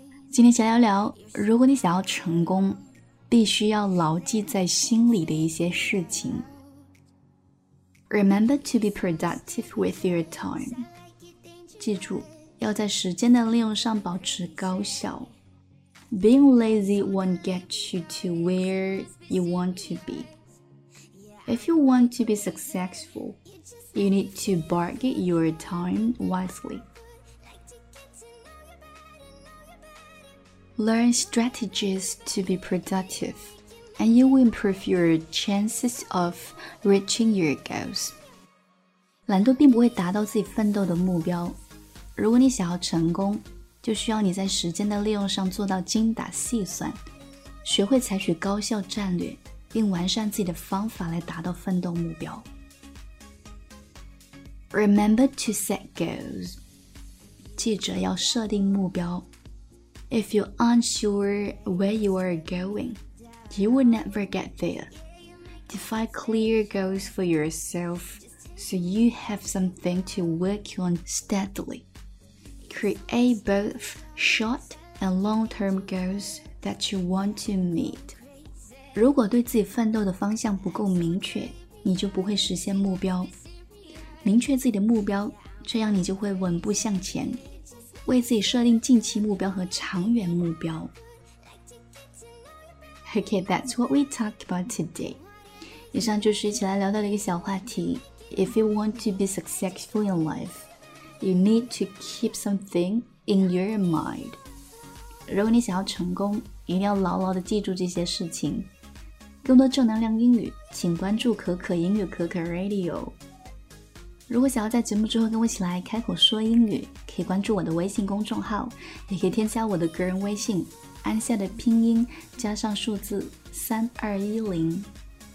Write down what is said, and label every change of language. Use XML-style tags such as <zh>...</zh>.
<zh>今天想聊聊，如果你想要成功，必须要牢记在心里的一些事情。</zh> <en>Remember to be productive with your time.</en> <zh>记住，要在时间的利用上保持高效。</zh> <en>Being lazy won't get you to where you want to be. If you want to be successful, you need to bargain your time wisely. Learn strategies to be productive, and you will improve your chances of reaching your goals.</en> <zh>懒惰并不会达到自己奋斗的目标。如果你想要成功，就需要你在时间的利用上做到精打细算，学会采取高效战略，并完善自己的方法来达到奋斗目标。</zh> <en>Remember to set goals.</en> <zh>记着要设定目标。</zh> <en>If you aren't sure where you are going, you will never get there. Define clear goals for yourself so you have something to work on steadily. Create both short and long-term goals that you want to meet.</en> <zh>如果对自己奋斗的方向不够明确，你就不会实现目标。明确自己的目标，这样你就会稳步向前，为自己设定近期目标和长远目标。</zh> <en>Okay, that's what we talked about today.</en> <zh>以上就是一起来聊到的一个小话题。</zh> <en>If you want to be successful in life, You need to keep something in your mind.</en> <zh>如果你想要成功，一定要牢牢地记住这些事情。更多正能量英语，请关注可可英语可可 Radio。如果想要在节目之后跟我一起来开口说英语，可以关注我的微信公众号，也可以添加我的个人微信，安夏的拼音加上数字3210。</zh>